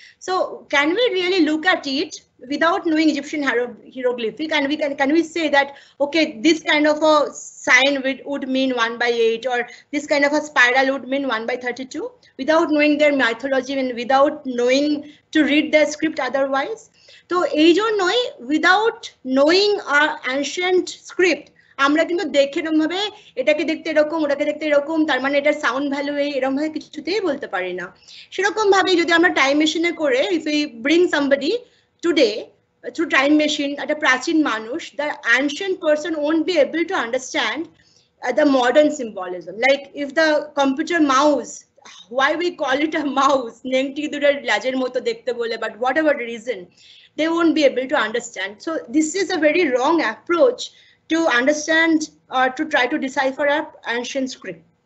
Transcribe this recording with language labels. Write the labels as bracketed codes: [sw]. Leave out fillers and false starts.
[en] So can we really look at it without knowing Egyptian hieroglyphic, and can we say that, okay, this kind of a sign would mean 1/8, or this kind of a spiral would mean 1/32, without knowing their mythology and without knowing to read their script otherwise? So without knowing our ancient script, [bn] আমরা কিন্তু দেখে এরকম ভাবে এটাকে দেখতে এরকম ওটাকে দেখতে এরকম, তার মানে এটার সাউন্ড ভ্যালু এই, এরকম ভাবে কিছুতেই বলতে পারি না। সেরকম ভাবে যদি আমরা টাইম মেশিনে করে, [en] if we bring somebody today through time machine, [bn] একটা প্রাচীন মানুষ, [en] The ancient person won't be able to understand the modern symbolism. Like if the computer mouse, why we call it a mouse, [bn] নেমটি দুটার লাজের মতো দেখতে বলে, [en] But whatever reason, they won't be able to understand. So this is a very wrong approach to understand or to try to decipher our ancient script.